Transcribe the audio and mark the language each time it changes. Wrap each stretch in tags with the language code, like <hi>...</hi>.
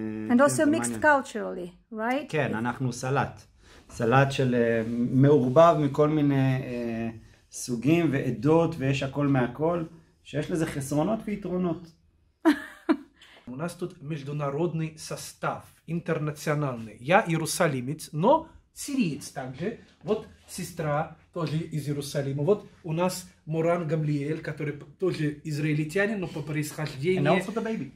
<en>And also mixed culturally, right?</en> <he>כן, אנחנו סלט. סלט של מעורבב מכל מיני סוגים ועדות ויש הכל מהכל, שיש לזה חסרונות ויתרונות.</he> <ru>У нас тут международный состав, интернациональный. Я иерусалимец, но сириец также. Вот сестра тоже из Иерусалима. Вот у нас Муран Гамлиэль, который тоже израильтянин, но по происхождению...</ru> <en>And also the baby.</en>